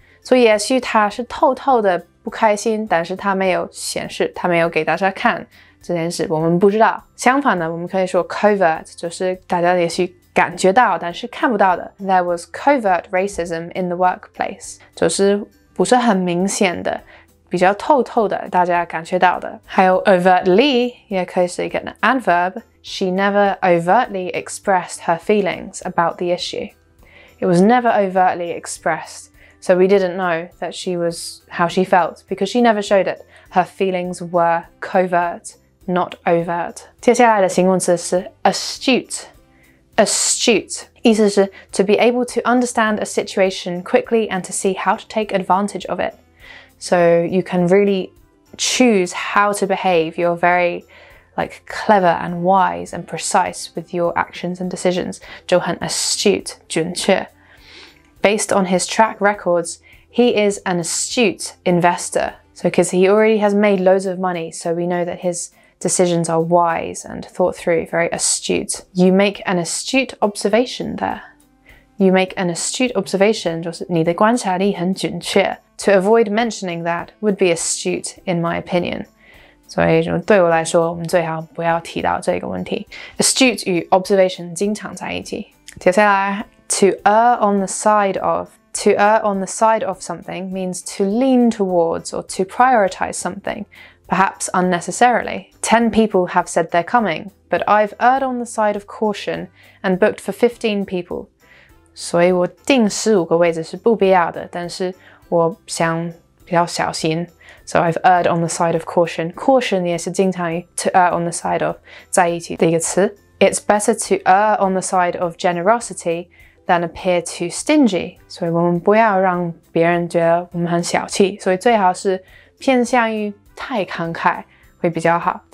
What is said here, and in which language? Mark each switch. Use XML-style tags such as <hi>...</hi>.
<zh>所以也许他是透透的不开心，但是他没有显示，他没有给大家看这件事，我们不知道。相反呢，我们可以说 covert 就是大家也许感觉到，但是看不到的。</zh> <en>There was covert racism in the workplace，</en> <zh>就是不是很明显的。比较透透的，大家感觉到的。还有 overtly 也可以是一个 adverb.</zh> <en>She never overtly expressed her feelings about the issue. It was never overtly expressed, so we didn't know that she was how she felt because she never showed it. Her feelings were covert, not overt.</en> <zh>接下来的形容词是</zh> <en>astute. astute，</en> <zh>意思是</zh> <en>to be able to understand a situation quickly and to see how to take advantage of it. So you can really choose how to behave. You're very like clever and wise and precise with your actions and decisions.</en> <zh>就很</zh> <en>astute，</en> <zh>准确。</zh> <en>Based on his track records, he is an astute investor. So because he already has made loads of money, so we know that his decisions are wise and thought through, very astute. You make an astute observation there. You make an astute observation,</en> <zh>就是你的观察力很准确。</zh> <en>To avoid mentioning that would be astute, in my opinion.</en> <zh>所以就对我来说，我们最好不要提到这个问题。 Astute 与 observation 经常在一起。接下来。</zh> <en>To err on the side of. To err on the side of something means to lean towards or to prioritize something, perhaps unnecessarily. 10 people have said they're coming, but I've erred on the side of caution and booked for 15 people.</en> <zh>所以我定15个位置是不必要的，但是我想比较小心。</zh> <en>So I've erred on the side of caution. Caution</en> <zh>也是经常</zh> <en>to err on the side of</en> <zh>在一起的一个词。</zh> <en>It's better to err on the side of generosity than appear too stingy.</en> <zh>所以我们不要让别人觉得我们很小气，所以最好是偏向于太慷慨会比较好。</zh>